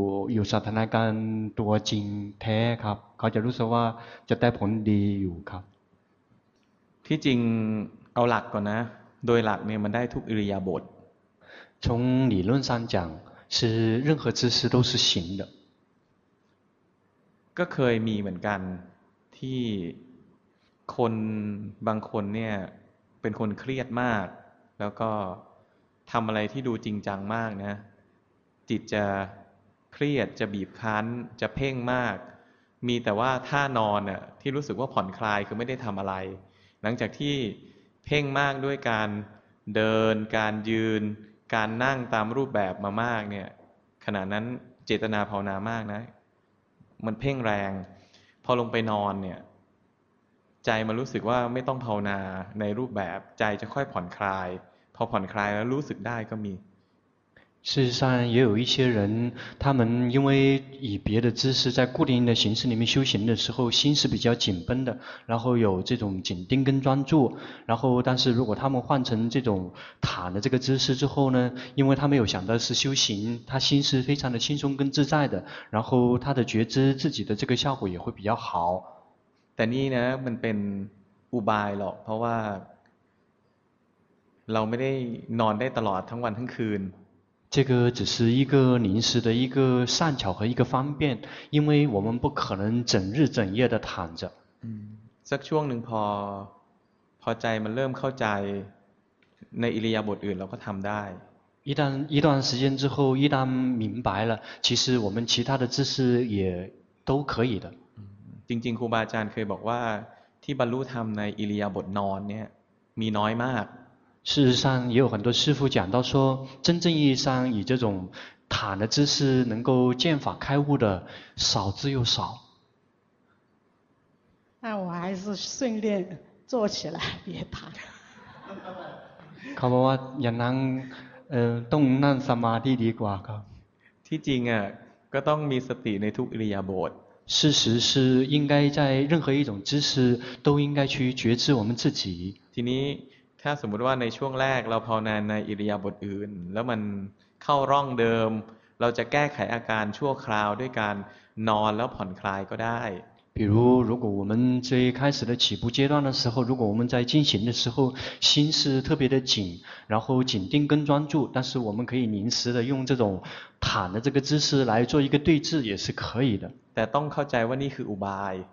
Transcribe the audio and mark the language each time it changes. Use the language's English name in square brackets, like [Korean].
[Thai] อยู่สถานการณ์ตัวจริงแท้ครับเขาจะรู้สึกว่าจะได้ผลดีอยู่ครับ ที่จริงเอาหลักก่อนนะโดยหลักเนี่ยมันได้ทุกอิริยาบถ [Chinese] 从理论上讲是任何姿势都是行的 [Thai] ก็เคยมีเหมือนกันที่คนบางคนเนี่ยเป็นคนเครียดมากแล้วก็ทำอะไรที่ดูจริงจังมากนะจิตจะเครียดจะบีบคั้นจะเพ่งมากมีแต่ว่าท่านอนอ่ะที่รู้สึกว่าผ่อนคลายคือไม่ได้ทำอะไรหลังจากที่เพ่งมากด้วยการเดินการยืนการนั่งตามรูปแบบมามากเนี่ยขณะนั้นเจตนาภาวนามากนะ มันเพ่งแรงพอลงไปนอนเนี่ยใจมันรู้สึกว่าไม่ต้องภาวนาในรูปแบบใจจะค่อยผ่อนคลายพอผ่อนคลายแล้วรู้สึกได้ก็มี [Chinese] 事实上也有一些人他们因为以别的姿势在固定的形式里面修行的时候心是比较紧绷的然后有这种紧盯跟专注然后但是如果他们换成这种躺的这个姿势之后呢因为他没有想到是修行他心是非常的轻松跟自在的然后他的觉知自己的这个效果也会比较好但是呢 [Thai] มันเป็นอุบายหรอกเพราะว่าเราไม่ได้นอนได้ตลอดทั้งวันทั้งคืน [Chinese] 这个只是一个临时的一个善巧和一个方便因为我们不可能整日整夜的躺着 [Thai] สักช่วงหนึ่งพอใจมันเริ่มเข้าใจในอิริยาบถอื่นเราก็ทำได้ [Chinese] 一段时间之后一旦明白了其实我们其他的姿势也都可以的 [Thai] จริงๆครูบาอาจารย์เคยบอกว่าที่บรรลุธรรมในอิริยาบถนอนเนี่ยมีน้อยมาก [Chinese] 事实上也有很多师父讲到说真正意义上以这种躺的姿势能够见法开悟的少之又少那我还是训练坐起来别躺เ [Thai] ขาบอกว่าอย่านั่งต้องนั่งสมาธิดีกว่าครับ ที่จริงอ่ะก็ต้องมีสติในทุกอิริยาบถ [Chinese] 事实是应该在任何一种姿势都应该去觉知我们自己 [Thai] ทีนี้ถ้าสมมติว่าในช่วงแรกเราภาวนาในอิริยาบถอื่นแล้วมันเข้าร่องเดิมเราจะแก้ไขอาการชั่วคราวด้วยการนอนแล้วผ่อนคลายก็ได้ [Chinese] 比如如果我们最开始的起步阶段的时候如果我们在进行的时候心是特别的紧然后紧盯跟专注但是我们可以临时的用这种躺的这个姿势来做一个对峙也是可以的 [Thai] แต่ต้องเข้าใจว่านี่คืออุบาย